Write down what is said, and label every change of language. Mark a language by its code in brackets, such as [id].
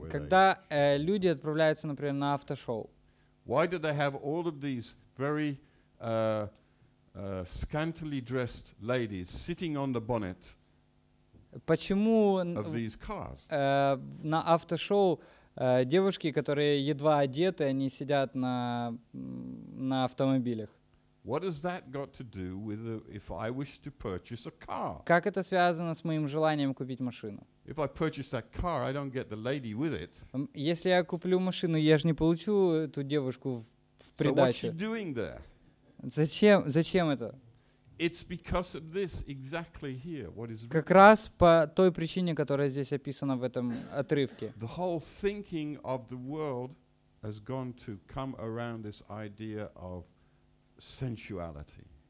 [ru] Когда люди отправляются, например, на автошоу. [en] Why do they have all of these very scantily dressed ladies sitting on the bonnet [ru] Почему [en] of these cars? [ru] На автошоу девушки, которые едва одеты, они сидят на автомобилях. [en] What has that got to do with if I wish to purchase a car? [ru] Как это связано с моим желанием купить машину? [en] If I purchase that car, I don't get the lady with it. [ru] Если я куплю машину, я же не получу эту девушку в придачу. [en] So what's she doing there? [ru] Зачем это? [en] It's because of this exactly here, what is [ru] как раз по той причине, которая здесь описана в этом отрывке. [en] The whole thinking of the world has gone to come around this idea of sensuality.